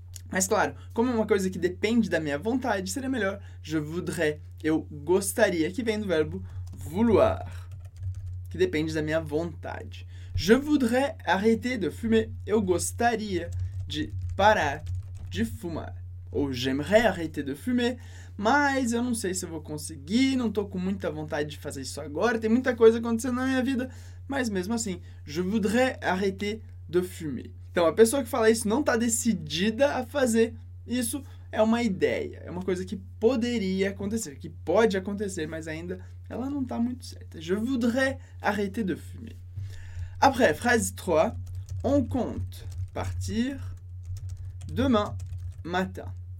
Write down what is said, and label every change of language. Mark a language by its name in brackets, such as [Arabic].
[Portuguese] Mas claro, como é uma coisa que depende da minha vontade, seria melhor [French] je voudrais, [Portuguese] eu gostaria, que vem do verbo vouloir, que depende da minha vontade. [French] Je voudrais arrêter de fumer, [Portuguese] eu gostaria de parar de fumar. Ou [French] j'aimerais arrêter de fumer, [Portuguese] mas eu não sei se eu vou conseguir, não tô com muita vontade de fazer isso agora, tem muita coisa acontecendo na minha vida, mas mesmo assim, [French] je voudrais arrêter de fumer. [Portuguese] Então, a pessoa que fala isso não tá decidida a fazer, isso é uma ideia, é uma coisa que poderia acontecer, que pode acontecer, mas ainda ela não tá muito certa. [French] Je voudrais arrêter de fumer. Après, phrase 3, on compte partir demain matin.